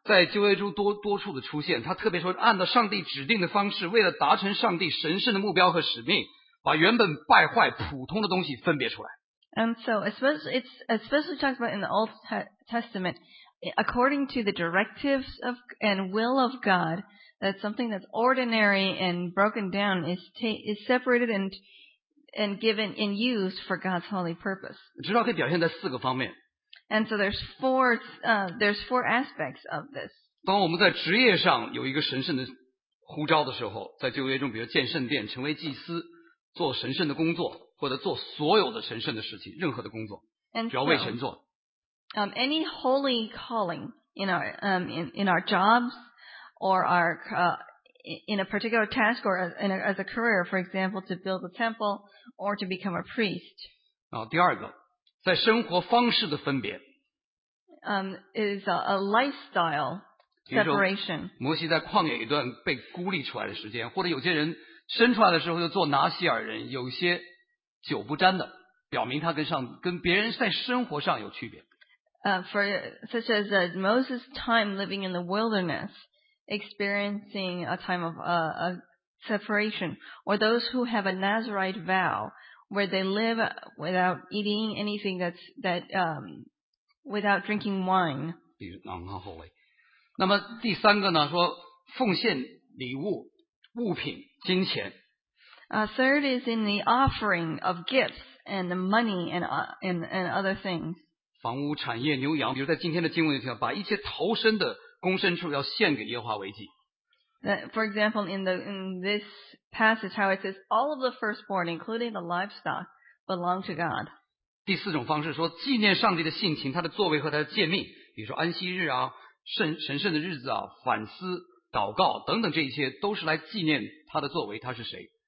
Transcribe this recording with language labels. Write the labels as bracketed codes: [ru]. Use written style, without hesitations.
[zh] 在旧约中多处的出现，他特别说按照上帝指定的方式，为了达成上帝神圣的目标和使命，把原本败坏普通的东西分别出来。 [en] And so especially talked about in the Old Testament, according to the directives of and will of God, that something that's ordinary and broken down is separated and given and used for God's holy purpose. [zh] 知道可以表现在四个方面。 [en] And so there's four aspects of this. [zh] 当我们在职业上有一个神圣的呼召的时候，在旧约中，比如建圣殿、成为祭司、做神圣的工作，或或者做所有的神圣的事情，任何的工作，只要为神做。 [en] Any holy calling in our in our jobs or our in a particular task or as a career, for example, to build a temple or to become a priest. [zh] 第二个，在生活方式的分别。 [en] Is a lifestyle separation. [zh] 摩西在旷野一段被孤立出来的时间，或者有些人生出来的时候就做拿西尔人，有些酒不沾的，表明他跟别人在生活上有区别。 [en] Such as Moses' time living in the wilderness, experiencing a time of a separation, or those who have a Nazarite vow, where they live without eating anything without drinking wine. Unholy. [zh] 那么第三个呢，说奉献礼物、物品、金钱。 [en] Third is in the offering of gifts and the money and other things. [zh] 房屋、产业、牛羊，比如在今天的经文里提到，把一切投身的公牲畜要献给耶和华为祭。 [en] For example, in this passage, how it says all of the firstborn, including the livestock, belong to God. [zh] 第四种方式说纪念上帝的性情、他的作为和他的诫命，比如说安息日啊、神圣的日子啊、反思、祷告等等，这一切都是来纪念他的作为，他是谁。